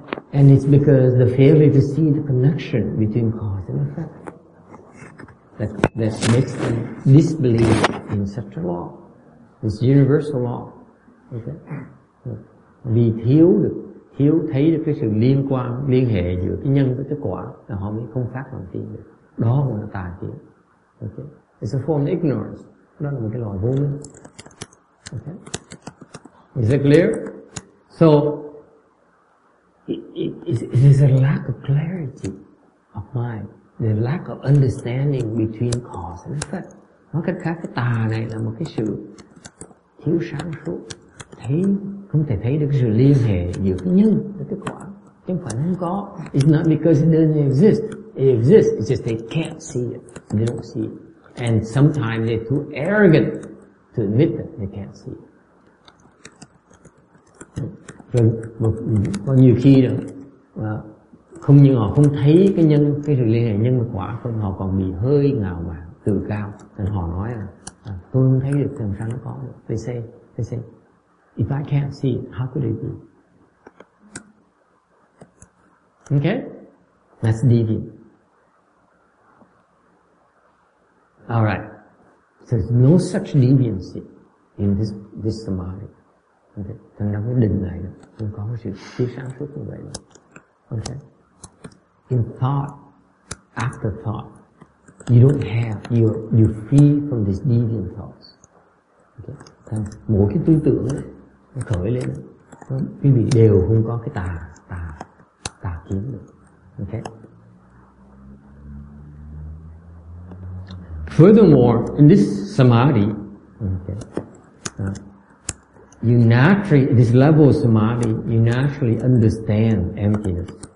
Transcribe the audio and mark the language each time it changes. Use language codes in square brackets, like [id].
[en] And it's because the failure to see the connection between cause and effect that makes them disbelieve in such a law, this universal law. Okay. [vi] Vì thiếu thấy được cái sự liên quan, liên hệ giữa cái nhân với cái quả, là họ mới không phát lòng tin được. Đó cũng là tà kiến. [en] Okay. It's a form of ignorance. [vi] Đó là một cái loại vô minh. [en] Okay. Is it clear? So, it is a lack of clarity of mind. The lack of understanding between cause and effect. [vi] Nói cách khác, cái tà này là một cái sự thiếu sáng suốt. Thấy không thể thấy được sự liên hệ giữa cái nhân với cái quả. Nhân quả nó không có. [en] It's not because it doesn't exist. It exists, it's just they can't see it. They don't see it. And sometimes they're too arrogant to admit that they can't see it. [vi] Rồi, có nhiều khi đó, không những họ không thấy cái nhân, cái sự liên hệ nhân và quả, không, họ còn bị hơi ngào mà tự cao. Nên họ nói là, tôi không thấy được làm sao nó có được. [en] They say, if I can't see it, how could it be? Okay? That's deviant. All right. So there's no such deviancy in this samadhi. Okay. [vi] Thành ra cái định này không có cái sự tiêu sáng suốt như vậy. [en] Okay. In thought, after thought, you're free from these deviant thoughts. Okay. [vi] Thành mỗi cái tư tưởng ấy, nó khởi lên, quý vị đều không có cái tà kiến được. [en] Okay. Furthermore, in this samadhi, you naturally, this level of samadhi, you naturally understand emptiness.